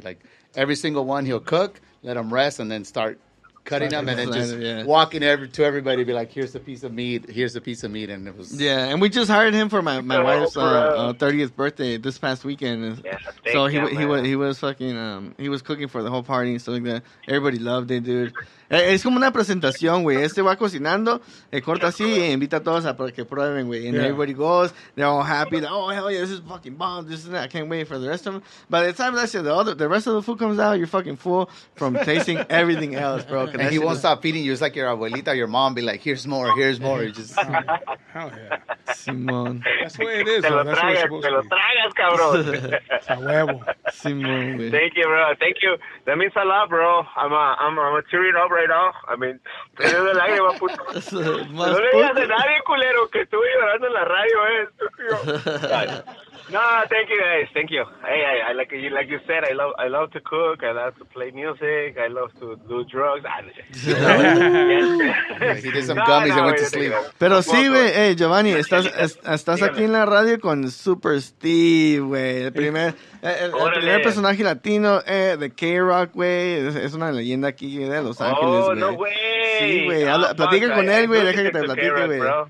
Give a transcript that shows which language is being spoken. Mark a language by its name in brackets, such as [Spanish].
[English] Like, every single one he'll cook, let them rest, and then start cutting them, and then just walking to everybody, be like, here's a piece of meat, here's a piece of meat, and it was... Yeah, and we just hired him for my wife's 30th birthday this past weekend. Yeah, so he was fucking, he was cooking for the whole party and stuff like that. Everybody loved it, dude. [Spanish] Es como una presentación, güey. Este va cocinando, corta así, e invita a todos a que prueben, güey. [English] And everybody goes, they're all happy. Like, oh, hell yeah, this is fucking bomb. This is that. I can't wait for the rest of them. By the time that shit, the rest of the food comes out, you're fucking full from tasting everything else, bro. And he won't stop feeding you. It's like your abuelita, your mom, be like, here's more, here's more. You just... Hell yeah. [Spanish] Simón. [English] That's the way it is, man. That's [Spanish] te lo tragas, cabrón. A huevo. Simón, güey. [English] Thank you, bro. Thank you. That means a lot, bro. I'm a tearing up right now. [Spanish] I mean, te dio de lágrima, puto. No le digas a nadie, culero, que estuve llorando en la radio, [English] No, thank you, guys. Thank you. Hey, I like you said, I love to cook. I love to play music. I love to do drugs. He did some gummies and went to sleep. [Spanish] Pero sí, güey. Hey, Giovanni, estás aquí en la radio con Super Steve, güey. El primer personaje latino de K-Rock, güey. Es una leyenda aquí de Los Ángeles, güey. Oh, no, güey. Sí, güey. Platica con él, güey. Deja que te platique, güey.